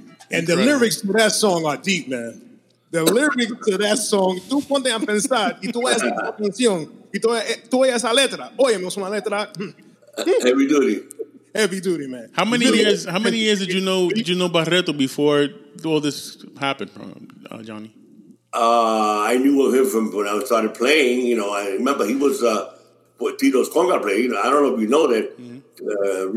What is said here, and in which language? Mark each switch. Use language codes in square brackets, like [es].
[en] And the lyrics to that song are deep, man. The lyrics to that song, [es] tú ponte a pensar y tú vas a la canción y tú vas a esa letra. Oye, no es una letra. [en] Heavy duty. Heavy duty, man. How many years? How many years did you know Barreto before all this happened, Johnny? I knew of him from when I started playing. You know, I remember he was Tito's conga player. You know, I don't know if you know that. Mm-hmm.